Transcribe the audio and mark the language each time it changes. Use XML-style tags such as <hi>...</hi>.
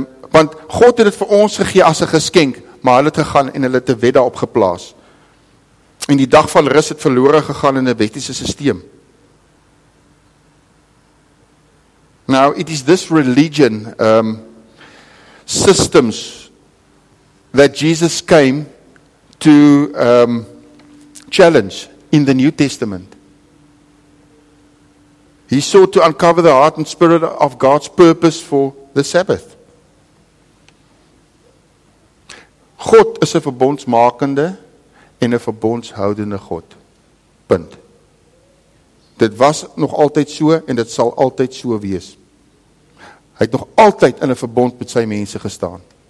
<af>Want God het dit vir ons gegee as 'n geskenk, maar hulle het gegaan en hulle het 'n wet daarop geplaas. En die dag van rus het verlore gegaan in 'n wettiese stelsel.</af> <en>Now, it is this religion, systems, that Jesus came to challenge in the New Testament. He sought to uncover the heart and spirit of God's purpose for the Sabbath.</en> <af>God is 'n verbondsmakende en 'n verbondshoudende God. Punt. Dit was nog altyd so en dit sal altyd so wees. Hy het nog altyd in 'n verbond met sy mense gestaan.</af>